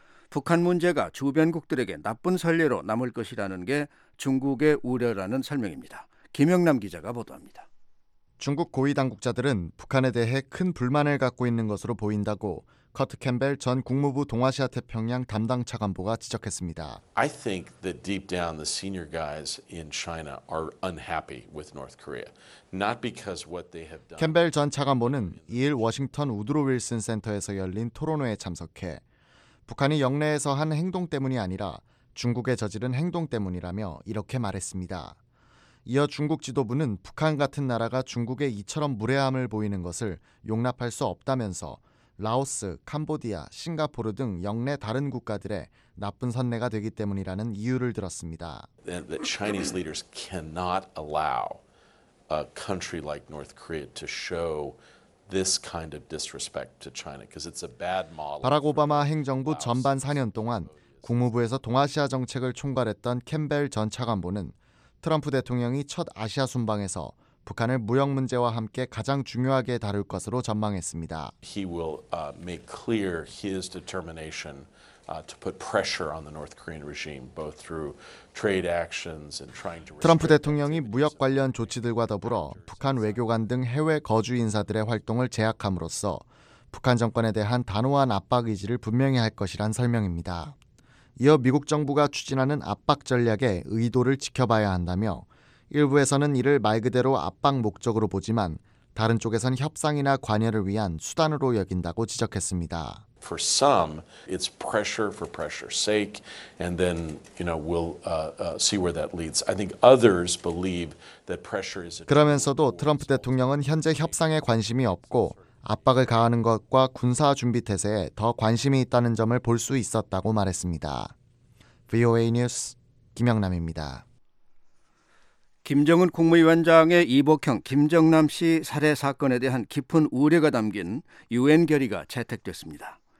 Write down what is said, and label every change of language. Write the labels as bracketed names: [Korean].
[Korean] 북한 문제가 주변국들에게 나쁜 선례로 남을 것이라는 게 중국의 우려라는 설명입니다. 김영남 기자가 보도합니다. 중국 고위 당국자들은 북한에 대해 큰 불만을 갖고 있는 것으로 보인다고 커트 캠벨 전 국무부 동아시아 태평양 담당 차관보가 지적했습니다. [English] I think that deep down the senior guys in China are unhappy with North Korea. Not because what they have done. [Korean] 캠벨 전 차관보는 2일 워싱턴 우드로 윌슨 센터에서 열린 토론회에 참석해 북한이 영내에서 한 행동 때문이 아니라 중국에 저지른 행동 때문이라며 이렇게 말했습니다. 이어 중국 지도부는 북한 같은 나라가 중국의 이처럼 무례함을 보이는 것을 용납할 수 없다면서 라오스, 캄보디아, 싱가포르 등 영내 다른 국가들의 나쁜 선례가 되기 때문이라는 이유를 들었습니다. [English] The Chinese leaders cannot allow a country like North Korea to show this kind of disrespect to China because it's a bad model. [Korean] 바락 오바마 행정부 전반 4년 동안 국무부에서 동아시아 정책을 총괄했던 캠벨 전 차관보는 트럼프 대통령이 첫 아시아 순방에서 북한을 무역 문제와 함께 가장 중요하게 다룰 것으로 전망했습니다. [English] He will make clear his determination to put pressure on the North Korean regime both through trade actions and trying to [Korean] 트럼프 대통령이 무역 관련 조치들과 더불어 북한 외교관 등 해외 거주 인사들의 활동을 제약함으로써 북한 정권에 대한 단호한 압박 의지를 분명히 할 것이란 설명입니다. 이어 미국 정부가 추진하는 압박 전략의 의도를 지켜봐야 한다며 일부에서는 이를 말 그대로 압박 목적으로 보지만 다른 쪽에선 협상이나 관여를 위한 수단으로 여긴다고 지적했습니다. [English] For some, it's pressure for pressure's sake, and then you know we'll see where that leads. I think others believe that pressure is. [Korean] 그러면서도 트럼프 대통령은 현재 협상에 관심이 없고 압박을 가하는 것과 군사 준비 태세에 더 관심이 있다는 점을 볼 수 있었다고 말했습니다. VOA 뉴스 김영남입니다. 김정은 국무위원장의 이복형 김정남 씨 살해 사건에 대한 깊은 우려가 담긴 유엔 결의가 채택됐습니다.